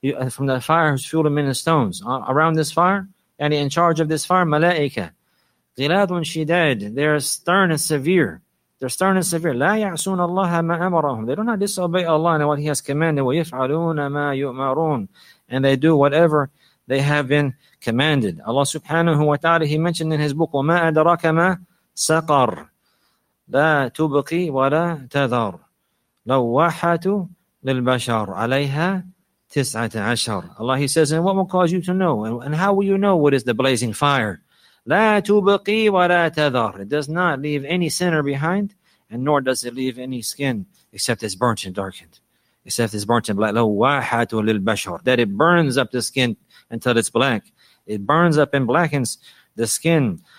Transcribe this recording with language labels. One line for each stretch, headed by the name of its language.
English: From the fire whose fuel is men and stones. Around this fire, and in charge of this fire, malaika.
Arabic: غِلَاظٌ شِدَادٌ.
English: They're stern and severe.
Arabic: لَا يَعْصُونَ اللَّهَ مَا أَمَرَهُمْ.
English: They do not disobey Allah and what He has commanded.
Arabic: وَيَفْعَلُونَ مَا يُؤْمَرُونَ.
English: And they do whatever they have been commanded.
Arabic: Allah subhanahu wa ta'ala,
English: He mentioned in His book,
Arabic: وَمَا أَدْرَكَ مَا سَقَرْ لَا تُبْقِي وَلَا تَذَرْ لَوَّاحَةُ لِلْبَشَرْ عَلَيْهَا 19.
English: Allah, He says, and what will cause you to know? And how will you know what is the blazing fire?
Arabic: لَا تُبْقِي وَلَا تَذَرْ.
English: It does not leave any sinner behind, and nor does it leave any skin except it's burnt and darkened. Except it's burnt and black.
Arabic: لَوَّاحَةُ لِلْبَشَرْ.
English: That it burns up the skin until it's black. It burns up and blackens the skin.